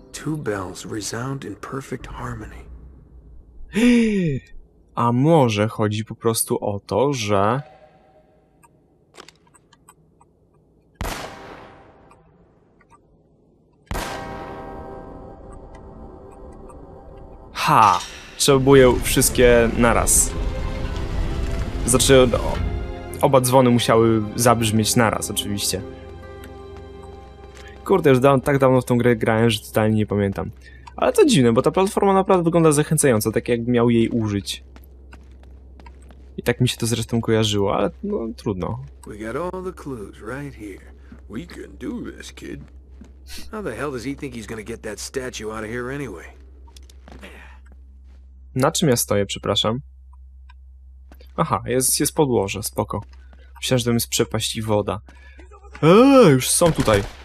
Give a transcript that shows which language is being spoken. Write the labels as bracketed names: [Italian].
[English] Two bells resound in perfect harmony. [Polish] A może chodzi po prostu o to, że... Ha! Trzeba było je wszystkie naraz. Znaczy... No, oba dzwony musiały zabrzmieć naraz, oczywiście. Kurde, już tak dawno w tą grę grałem, że totalnie nie pamiętam. Ale to dziwne, bo ta platforma naprawdę wygląda zachęcająco, tak jakbym miał jej użyć. I tak mi się to zresztą kojarzyło, ale no trudno. [English] We got all the clues right here. We can do this, kid. How the hell does he think he's gonna get that statue out of here anyway? [Polish] Na czym ja stoję, przepraszam? Aha, jest podłoże, spoko. Myślałem, że to jest przepaść i woda. Już są tutaj.